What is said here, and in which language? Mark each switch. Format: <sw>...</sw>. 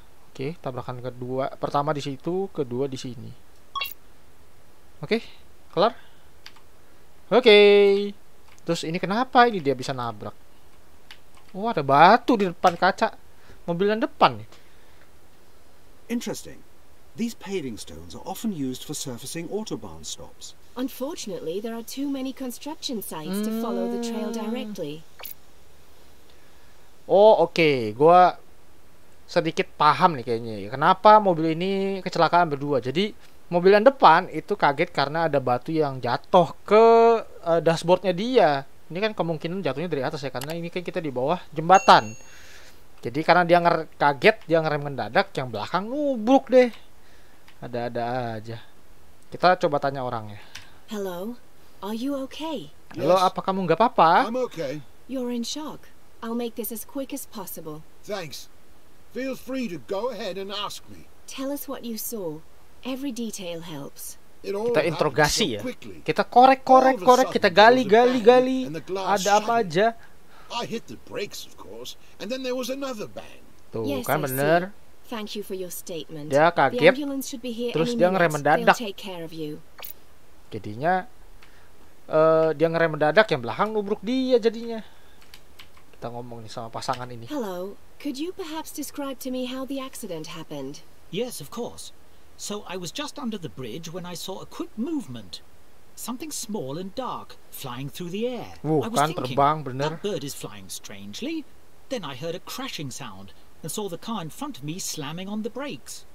<id>Oke, tabrakan kedua, pertama di situ, kedua di sini. Oke, kelar. Oke. Terus ini kenapa ini dia bisa nabrak? Wah, ada batu di depan kaca mobil yang depan.</id> <en>Interesting. These paving stones are often used for surfacing autobahn stops. Unfortunately, there are too many construction sites to follow the trail directly.</en> <id>Oh, oke. Okay. Gua sedikit paham nih kayaknya. Kenapa mobil ini kecelakaan berdua? Jadi, mobil yang depan itu kaget karena ada batu yang jatuh ke dashboardnya dia. Ini kan kemungkinan jatuhnya dari atas ya, karena ini kan kita di bawah jembatan. Jadi karena dia kaget, dia ngerem mendadak, yang belakang nubruk deh. Ada-ada aja. Kita coba tanya orangnya.</id> <en>Hello, are you okay?</en> <id>Halo, apa kamu nggak apa-apa?</id> <en>I'm okay. You're in shock. I'll make this as quick as possible. Thanks. Feel free to go ahead and ask me. Tell us what you saw. Every detail helps.</en> <id>Kita interogasi ya. Kita korek-korek-korek, kita gali-gali-gali. Ada apa aja?</id> <en>I hit the brakes, of course, and then there was another bang.</en> <id>Tuh, yes, kan bener.</id> <en>Thank you for your statement.</en> <id>Dia kaget. Terus dia ngerem mendadak. Jadinya dia ngerem mendadak, yang belakang nubruk dia jadinya. Kita ngomong nih sama pasangan ini.</id> <en>Hello, could you perhaps describe to me how the accident happened? Yes, of course. So I was just under the bridge when I saw a quick movement. Something small and dark flying through the air.</en> <id>Wuh, kan terbang bener.</id> <en>That bird is flying strangely. Then I heard a crashing sound and saw the car in front of me slamming on the brakes.</en>